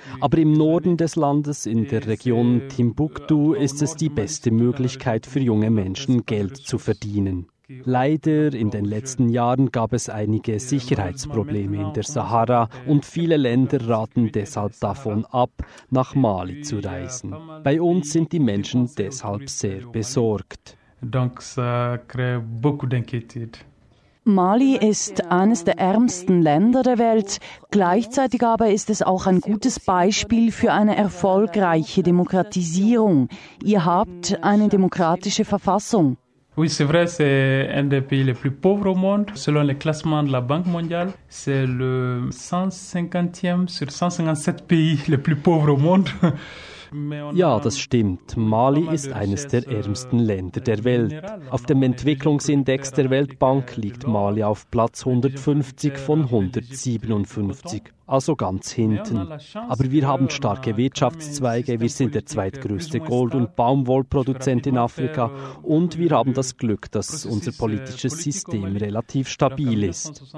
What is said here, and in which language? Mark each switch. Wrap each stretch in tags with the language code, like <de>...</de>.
<de>Aber im Norden des Landes, in der Region Timbuktu, ist es die beste Möglichkeit für junge Menschen, Geld zu verdienen. Leider in den letzten Jahren gab es einige Sicherheitsprobleme in der Sahara und viele Länder raten deshalb davon ab, nach Mali zu reisen. Bei uns sind die Menschen deshalb sehr besorgt.</de> <fr>Donc ça crée beaucoup d'inquiétude.</fr> <de>Mali ist eines der ärmsten Länder der Welt. Gleichzeitig aber ist es auch ein gutes Beispiel für eine erfolgreiche Demokratisierung. Ihr habt eine demokratische Verfassung.</de> <fr>Oui, c'est vrai, c'est un des pays les plus pauvres au monde. Selon le classement de la Banque mondiale, c'est le 150e sur 157 pays les plus pauvres au monde.</fr> <de>Ja, das stimmt. Mali ist eines der ärmsten Länder der Welt. Auf dem Entwicklungsindex der Weltbank liegt Mali auf Platz 150 von 157. also ganz hinten. Aber wir haben starke Wirtschaftszweige, wir sind der zweitgrößte Gold- und Baumwollproduzent in Afrika und wir haben das Glück, dass unser politisches System relativ stabil ist.</de>